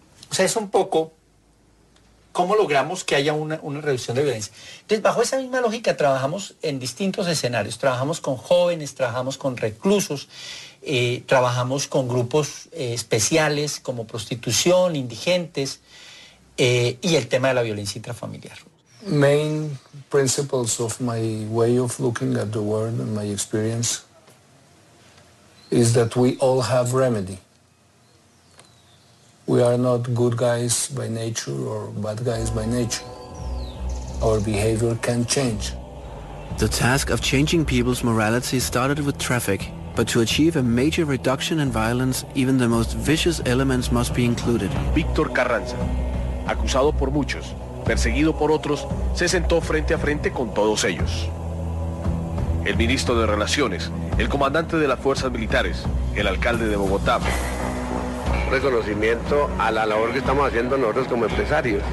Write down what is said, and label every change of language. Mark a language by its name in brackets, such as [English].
[Spanish] O sea, es un poco cómo logramos que haya una reducción de violencia. Entonces, bajo esa misma lógica, trabajamos en distintos escenarios. Trabajamos con jóvenes, trabajamos con reclusos, trabajamos con grupos especiales como prostitución, indigentes, y el tema de la violencia intrafamiliar. [English] Main principles of my way of looking at the world and my experience is that we all have remedy. We are not good guys by nature or bad guys by nature. Our behavior can change. The task of changing people's morality started with traffic, but to achieve a major reduction in violence, even the most vicious elements must be included. [Spanish] Víctor Carranza, acusado por muchos, perseguido por otros, se sentó frente a frente con todos ellos. El ministro de Relaciones, el comandante de las Fuerzas Militares, el alcalde de Bogotá. Reconocimiento a la labor que estamos haciendo nosotros como empresarios.